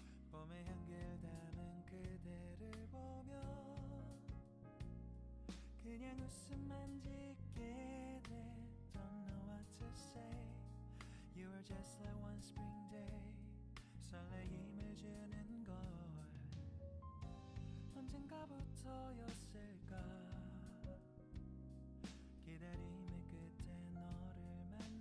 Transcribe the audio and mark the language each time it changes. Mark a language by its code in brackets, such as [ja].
[ko] 봄의 향기를 담은 그대를 보며 그냥 웃음만 짓게 돼. [en] Don't know what to say. You are just like one spring day. [ko] 설레임을 주는 걸 언젠가부터였을까. 기다림의 끝에 너를 만나.